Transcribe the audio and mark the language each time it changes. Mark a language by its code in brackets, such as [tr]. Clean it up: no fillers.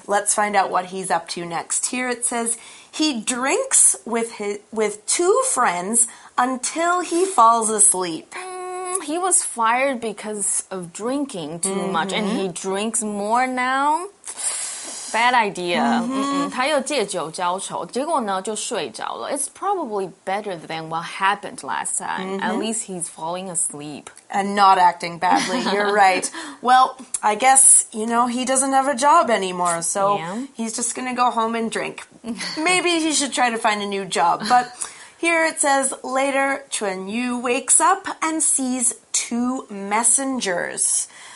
[en] Let's find out what he's up to next. Here it says, he drinks with two friends until he falls asleep. He was fired because of drinking too much, and he drinks more now? Bad idea. [zh] 他又借酒浇愁，结果呢就睡着了。 [en] It's probably better than what happened last time. At least he's falling asleep. And not acting badly. You're right. Well, I guess, you know, he doesn't have a job anymore, so he's just going to go home and drink. Maybe he should try to find a new job. But here it says, later, Chun Yu wakes up and sees two messengers.